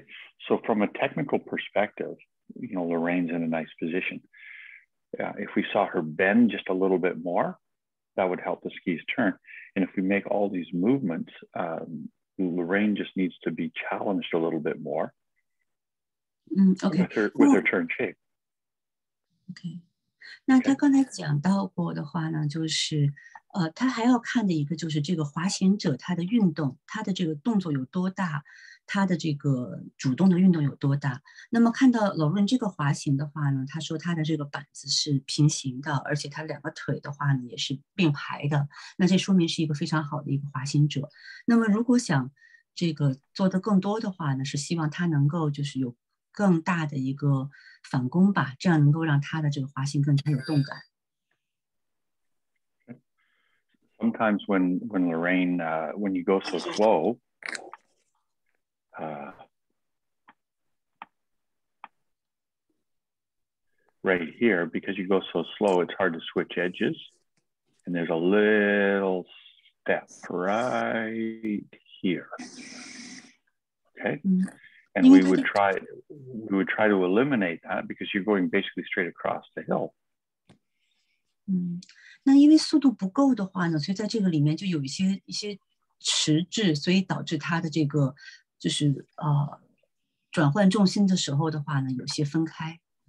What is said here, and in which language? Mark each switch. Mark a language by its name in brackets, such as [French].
[English] Okay, so from a technical perspective, you know, Lorraine's in a nice position. If we saw her bend just a little bit more, that would help the skis turn. And if we make all these movements, Lorraine just needs to be challenged a little bit more. Okay. With her turn shape. Okay. [Chinese] 那他刚才讲到过的话呢，就是，他还要看的一个就是这个滑行者他的运动，他的这个动作有多大，他的这个主动的运动有多大。那么看到劳伦这个滑行的话呢，他说他的这个板子是平行的，而且他两个腿的话呢也是并排的，那这说明是一个非常好的一个滑行者。那么如果想这个做得更多的话呢，是希望他能够就是有更大的一个反攻吧，这样能够让他的这个滑行更加有动感。 [English] Sometimes when Lorraine, when you go so slow, right here, because you go so slow, it's hard to switch edges. And there's a little step right here. Okay. Mm-hmm. And we would try, to eliminate that because you're going basically straight across the hill. [Chinese] 那因为速度不够的话呢，所以在这个里面就有一些迟滞，所以导致它的这个就是转换重心的时候的话呢，有些分开。